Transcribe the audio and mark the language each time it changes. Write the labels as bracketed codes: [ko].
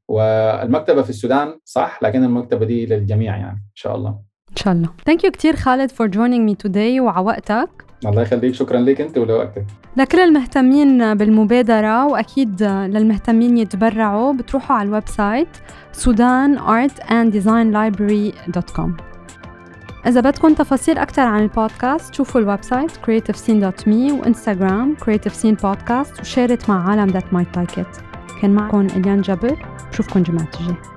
[ar] والمكتبة في السودان صح لكن المكتبة دي للجميع يعني إن شاء الله إن شاء الله. [en] Thank you كتير خالد for joining me today وعوقتك. [ar] الله يخليك شكرا لك أنت ولوقتك. لكل المهتمين بالمبادرة وأكيد للمهتمين يتبرعوا بتروحوا على الويب سايت sudanartanddesignlibrary.com. إذا بدكم تفاصيل أكثر عن البودكاست شوفوا الويب سايت creativescene.me وإنستغرام creativescenepodcast وشارت مع عالم [en] that might like it. [ar] كان معكم إليان جابر بشوفكم جمعة الجاي.